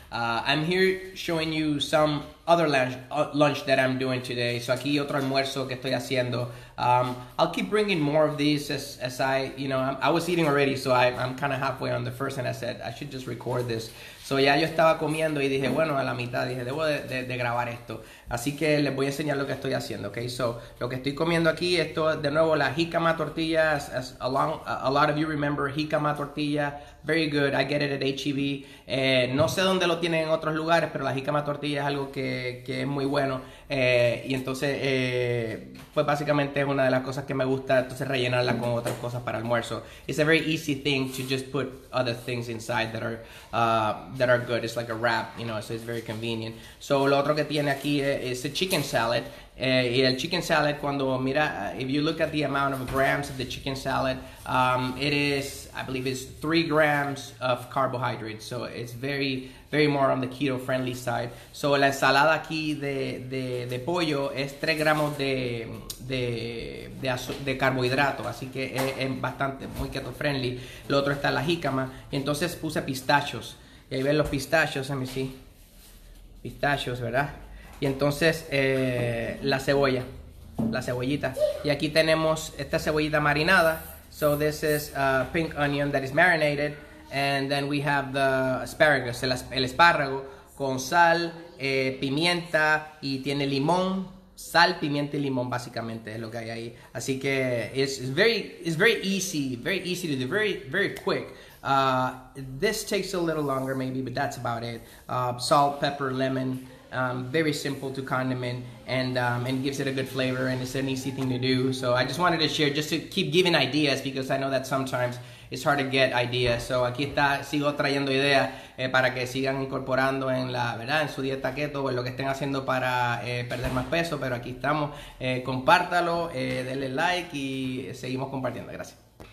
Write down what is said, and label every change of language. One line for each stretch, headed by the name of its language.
English: I'm here showing you some other lunch that I'm doing today.
Spanish: So aquí otro almuerzo que estoy haciendo.
English: I'll keep bringing more of these as I was eating already, so I'm kind of halfway on the first, and I said I should just record this.
Spanish: So ya yo estaba comiendo y dije, bueno, a la mitad dije, debo de grabar esto. Así que les voy a enseñar lo que estoy haciendo, okay? So lo que estoy comiendo aquí, esto de nuevo, la jícama tortilla,
English: as a lot of you remember,
Spanish: jícama tortilla,
English: very good. I get it at HEB.
Spanish: No sé dónde lo tienen en otros lugares, pero la jícama tortilla es algo que es muy bueno. Y entonces, pues básicamente es una de las cosas que me gusta, entonces rellenarla con otras cosas para almuerzo.
English: It's a very easy thing to just put other things inside that are good. It's like a wrap, you know, so it's very convenient.
Spanish: So lo otro que tiene aquí es
English: a chicken salad.
Spanish: Y el chicken salad, cuando mira,
English: if you look at the amount of grams of the chicken salad, it is, I believe it's 3 grams of carbohydrates. So it's very, very more on the keto friendly side.
Spanish: So la ensalada aquí de pollo es 3 gramos de carbohidrato. Así que es bastante, muy keto friendly. Lo otro está la jícama. Y entonces puse pistachos. Y ahí ven los pistachos,
English: let me see.
Spanish: Pistachos, ¿verdad? Y entonces la cebollita. Y aquí tenemos esta cebollita marinada.
English: So this is a pink onion that is marinated. And then we have the asparagus,
Spanish: el espárrago, con sal, pimienta, y tiene limón. Sal, pimienta y limón, básicamente, es lo que hay ahí. Así que
English: it's very easy to do, very, very quick. This takes a little longer maybe, but that's about it. Salt, pepper, lemon. Very simple to condiment, and gives it a good flavor, and it's an easy thing to do. So I just wanted to share, just to keep giving ideas, because I know that sometimes it's hard to get ideas.
Spanish: So aquí está, sigo trayendo ideas para que sigan incorporando en la verdad en su dieta keto, o en lo que estén haciendo para perder más peso. Pero aquí estamos. Compártalo, denle like y seguimos compartiendo. Gracias.